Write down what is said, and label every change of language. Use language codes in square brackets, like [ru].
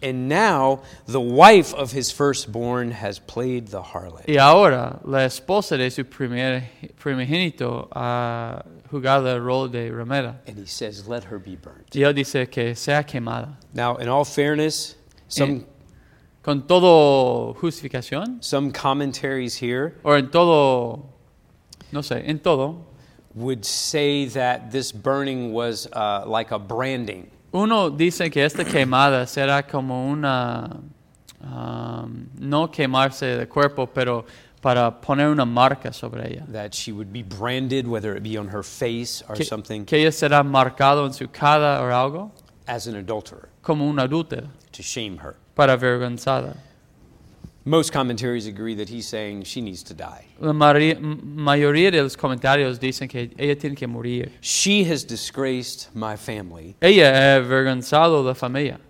[en] And now the wife of his firstborn has played the harlot. [es] Y ahora la esposa de su primogénito ha jugado el rol de remera. [en] And he says, let her be burnt. [es] Y él dice que sea quemada. [en] Now, in all fairness, [es] con todo justificación, [en] some commentaries here, [es] or en todo, no sé, en todo, [en] would say that this burning was like a branding. [es] Uno dice que esta quemada será como una, no quemarse el cuerpo, pero para poner una marca sobre ella. [en] That she would be branded, whether it be on her face or [es] que, [en] something. [es] Que ella será marcado en su cara o algo. [en] As an adulterer. [es] Como un adúltero. [en] To shame her. [es] Para avergonzarla. [en] Most commentaries agree that he's saying she needs to die. [es] La mayoría de los comentarios dicen que ella tiene que morir. [en] She has disgraced my family. [es] Ella ha avergonzado la familia.